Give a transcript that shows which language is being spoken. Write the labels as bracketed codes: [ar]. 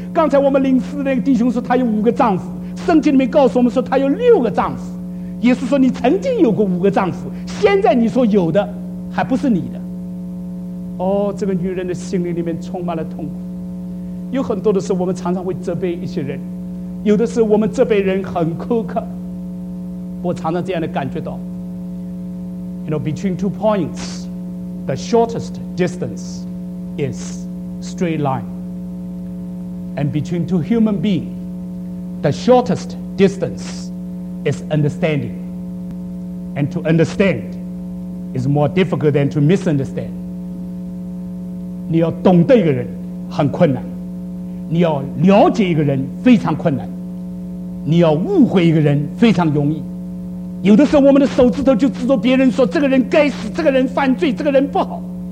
[zh] 刚才我们领诗的那个弟兄说她有五个丈夫，圣经里面告诉我们说她有六个丈夫。耶稣说你曾经有过五个丈夫，现在你说有的还不是你的。哦，这个女人的心灵里面充满了痛苦。有很多的时候我们常常会责备一些人，有的时候我们这辈人很苛刻。我常常这样的感觉到， [en] You know, between two points, the shortest distance is straight line. And between two human beings, the shortest distance is understanding. And to understand is more difficult than to misunderstand. [zh] 你要懂得一个人很困难，你要了解一个人非常困难，你要误会一个人非常容易。有的时候我们的手指头就指着别人说这个人该死，这个人犯罪，这个人不好。